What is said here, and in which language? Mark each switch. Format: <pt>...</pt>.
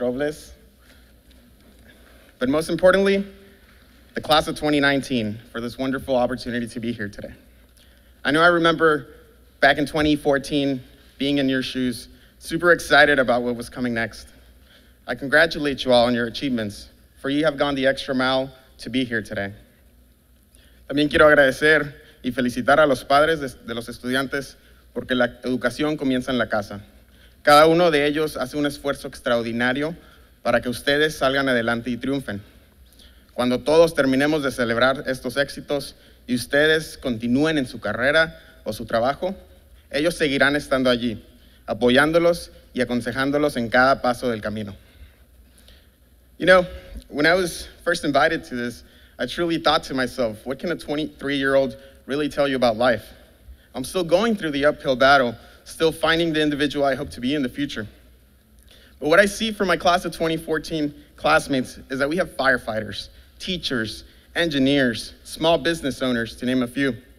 <en>Robles, but most importantly, the class of 2019 for this wonderful opportunity to be here today. I know I remember back in 2014 being in your shoes, super excited about what was coming next. I congratulate you all on your achievements, for you have gone the extra mile to be here today.</en> <es>También quiero agradecer y felicitar a los padres de los estudiantes porque la educación comienza en la casa. Cada uno de ellos hace un esfuerzo extraordinario para que ustedes salgan adelante y triunfen. Cuando todos terminemos de celebrar estos éxitos y ustedes continúen en su carrera o su trabajo, ellos seguirán estando allí, apoyándolos y aconsejándolos en cada paso del camino.</es> <en>You know, when I was first invited to this, I truly thought to myself, what can a 23-year-old really tell you about life? I'm still going through the uphill battle, still finding the individual I hope to be in the future. But what I see from my class of 2014 classmates is that we have firefighters, teachers, engineers, small business owners, to name a few.</en>